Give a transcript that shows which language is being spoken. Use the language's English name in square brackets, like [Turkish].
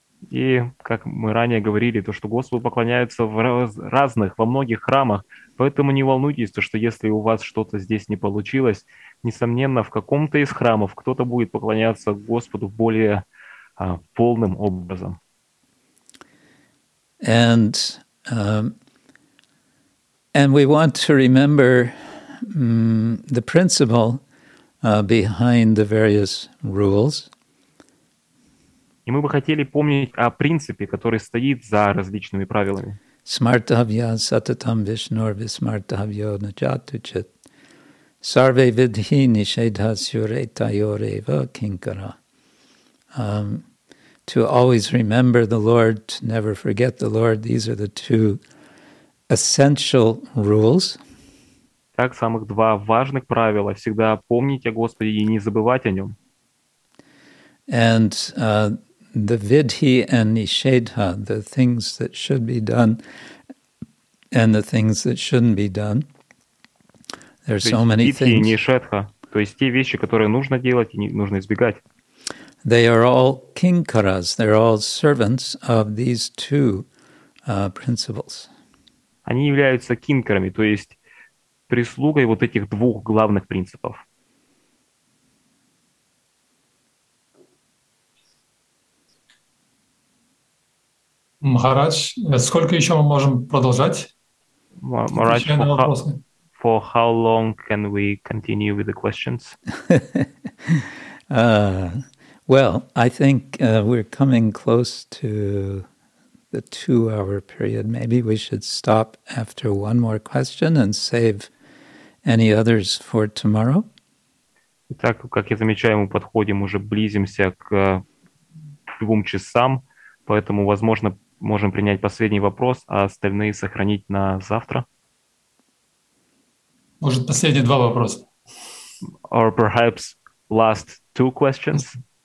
[Russian] И как мы ранее говорили, то что Господу поклоняются в разных, во многих храмах, поэтому не волнуйтесь, то что если у вас что-то здесь не получилось, несомненно, в каком-то из храмов кто-то будет поклоняться Господу более полным образом. [English] And and we want to remember the principle behind the various rules. [Russian] И мы бы хотели помнить о принципе, который стоит за различными правилами. [Sanskrit] Смартавья сататам вишнор висмартавьо начатучит. Сарве видхи нишедха сюрета йорева кинкара. [English] To always remember the Lord, to never forget the Lord, these are the two essential rules. [Russian] Так, самых два важных правила. Всегда помнить о Господе и не забывать о Нем. [English] And the vidhi and nishedha, the things that should be done and the things that shouldn't be done. There's so many things. [Russian] Vidhi и nishedha, то есть те вещи, которые нужно делать и нужно избегать. [English] They are all kinkaras, they're all servants of these two principles. [Russian] Они являются кинкарами, то есть прислугой вот этих двух главных принципов. Махарадж, сколько еще мы можем продолжать? [English] Махарадж, for how long can we continue with the questions? Well, I think we're coming close to the two-hour period. Maybe we should stop after one more question and save any others for tomorrow. [Russian] Итак, как я замечаю, мы подходим, уже близимся к двум часам, поэтому, возможно, можем принять последний вопрос, а остальные сохранить на завтра. Может, последние два вопроса? [English] Or perhaps last two questions?